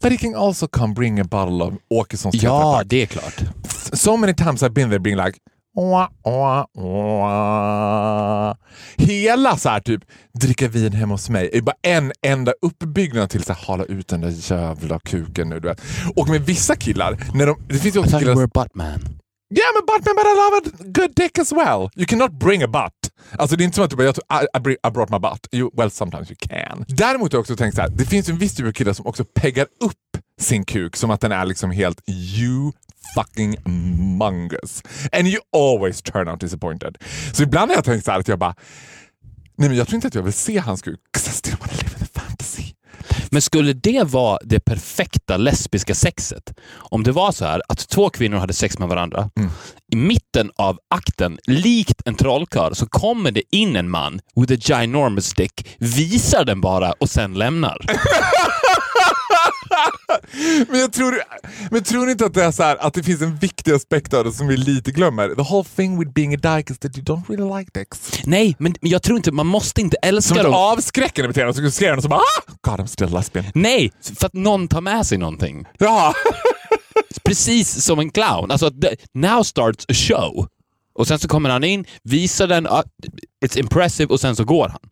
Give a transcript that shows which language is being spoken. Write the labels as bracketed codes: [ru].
[en] But he can also come bring a bottle of Åkessons. [sv] Ja, det är klart. [en] So many times I've been there being like, wah, wah, wah. [sv] Hela så här typ dricka vin hemma hos mig är bara en enda uppbyggnad till att hålla ut den där jävla kuken nu, du vet. Och med vissa killar när de, det finns ju också killar, [en] we're a butt man. Yeah, I'm a butt man, but I love a good dick as well. You cannot bring a butt. [sv] Alltså det är inte som att du bara, [en] I brought my butt. You, well, sometimes you can. [sv] Däremot har jag också tänkt så här, det finns en viss typ av killar som också peggar upp sin kuk som att den är liksom helt [en] you fucking mongous. And you always turn out disappointed. [sv] Så ibland har jag tänkt så här att jag bara, nej men jag tror inte att jag vill se hans kuk. [en] Because I still want to live in a fantasy. [sv] Men skulle det vara det perfekta lesbiska sexet? Om det var så här att två kvinnor hade sex med varandra. Mm. I mitten av akten, likt en trollkarl, så kommer det in en man [en] with a ginormous dick, [sv] visar den bara och sen lämnar. Men jag tror inte att det är så här, att det finns en viktig aspekt av det som vi lite glömmer. [en] The whole thing with being a dyke is that you don't really like dicks. [sv] Nej, men jag tror inte, man måste inte älska dem. Som avskräckande beteende, så skriver någon som bara, [en] God, I'm still lesbian. [sv] Nej, för att någon tar med sig någonting. Ja. Precis som en clown. Alltså, [en] now starts a show. [sv] Och sen så kommer han in, visar den, [en] it's impressive, [sv] och sen så går han.